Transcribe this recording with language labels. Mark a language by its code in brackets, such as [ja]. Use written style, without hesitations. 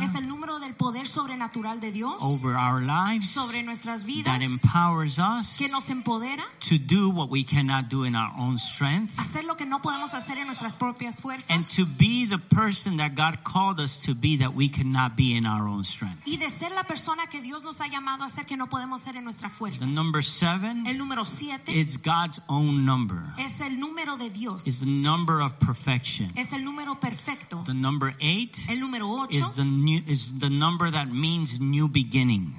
[es] Es el número del poder sobrenatural de Dios. [en] Over our lives. [es] Sobre nuestras vidas. [en] That empowers us. [es] Que nos empodera. [en] To do what we cannot do in our own strength. [es] Hacer lo que no podemos hacer en nuestras propias fuerzas. [en] And to be the person that God called us to be that we cannot be in our own strength. [es] Y de ser la persona que Dios nos ha llamado a ser que no podemos ser en nuestra fuerza. [en] The number 7. [es] El número 7. [en] It's God's own number. [es] Es el número de Dios. [en] It's the number of perfection. [es] Es el número perfecto. [en] The number 8. [es] El número 8. [en] Is the number that means new beginnings.